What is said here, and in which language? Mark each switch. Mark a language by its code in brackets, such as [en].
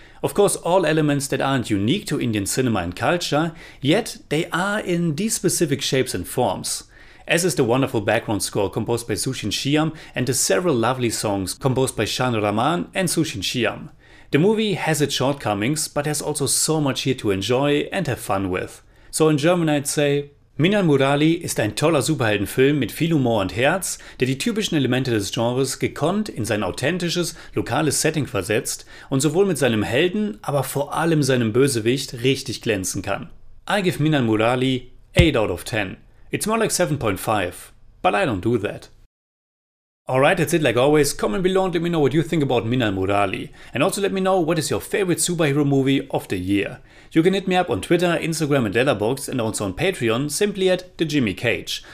[en] Of course, all elements that aren't unique to Indian cinema and culture, yet they are in these specific shapes and forms. As is the wonderful background score composed by Sushin Shyam and the several lovely songs composed by Shan Raman and Sushin Shyam. The movie has its shortcomings, but has also so much here to enjoy and have fun with. So in German I'd say, [de] Minnal Murali ist ein toller Superheldenfilm mit viel Humor und Herz, der die typischen Elemente des Genres gekonnt in sein authentisches, lokales Setting versetzt und sowohl mit seinem Helden, aber vor allem seinem Bösewicht richtig glänzen kann. [en] I give Minnal Murali 8 out of 10. It's more like 7.5, but I don't do that. Alright, that's it like always. Comment below and let me know what you think about Minnal Murali. And also let me know what is your favorite superhero movie of the year. You can hit me up on Twitter, Instagram and Letterboxd and also on Patreon simply at The Jimmy Cage.